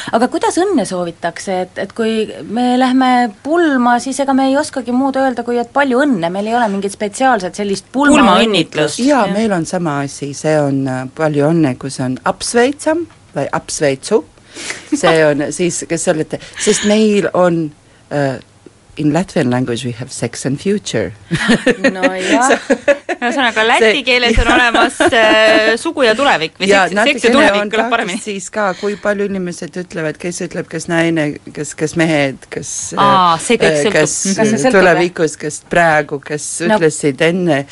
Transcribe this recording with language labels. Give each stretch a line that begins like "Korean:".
Estonian: Aga kuidas õnne soovitakse, et kui me lähme pulma, siis ega me ei oskagi muud öelda, kui et palju õnne. Meil ei ole mingit spetsiaalselt sellist pulmaõnnitlust. Jaa, meil on sama asi. See on palju õnne, kus on apsveitsam või apsveitsu. See on siis, kes olete, sest meil on...
English: In Latvian language we have sex and future.
Estonian: Ühesõnaga, läti keeles on olemas sugu ja tulevik. Seks ja tulevik on paremini. Siis ka, kui palju inimesed ütlevad, kes ütleb, kes naine, kes mehed, kes tulevikus, kes praegu, kes ütlesid enne.